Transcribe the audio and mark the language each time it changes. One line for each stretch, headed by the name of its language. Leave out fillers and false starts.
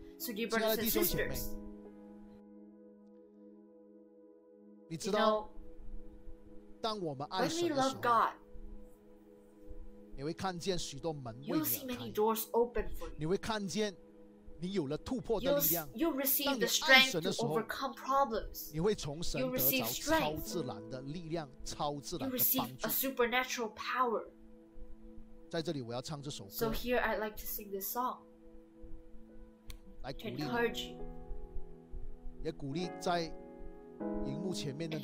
English: So, dear brothers and sisters, you know, when we love God, you'll see many doors open for you.
Chinese: 你有了突破的力量
English: you'll receive the strength to overcome problems
Chinese: 你会从神得着超自然的力量超自然的帮助
English: you'll receive a supernatural power
Chinese: 在这里我要唱这首歌
English: so here I'd like to sing this song
Chinese: 来鼓励
English: to encourage you
Chinese: 也鼓励在荧幕前面的你